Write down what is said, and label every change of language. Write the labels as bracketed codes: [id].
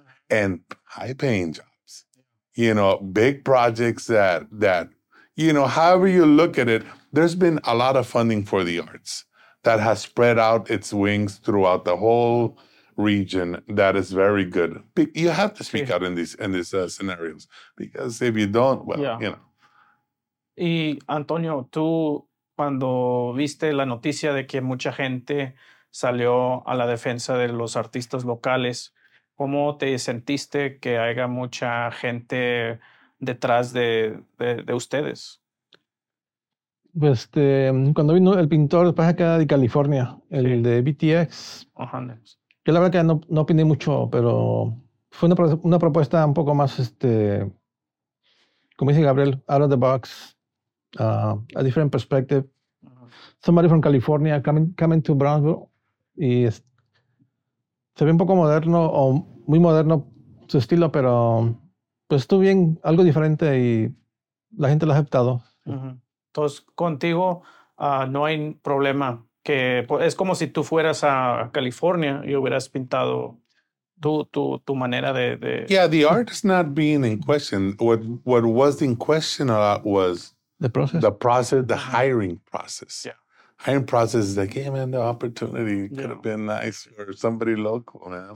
[en] And high-paying jobs, you know, big projects that, you know, however you look at it, there's been a lot of funding for the arts that has spread out its wings throughout the whole region. That is very good. You have to speak out in these scenarios, because if you don't, well, you know. [es] Y Antonio, tú cuando viste la noticia de que mucha gente salió a la defensa de los artistas locales, ¿cómo te sentiste que haya mucha gente detrás de ustedes? Pues cuando vino el pintor, después acá de California, el de BTX. Yo la verdad que no opiné mucho, pero fue una propuesta un poco más, como dice Gabriel, [en] out of the box, a different perspective. Somebody from California coming to Brownsville, [es] y se ve un poco moderno, o muy moderno su estilo, pero pues estuvo bien, algo diferente, y la gente lo ha aceptado. Entonces, contigo no hay problema. Que es como si tú fueras a California y hubieras pintado tu manera de... [en] Yeah, the art is not being in question. What was in question a lot was... The process, the hiring process. Yeah. Hiring process is like, hey, man, the opportunity could have been nice for somebody local, man.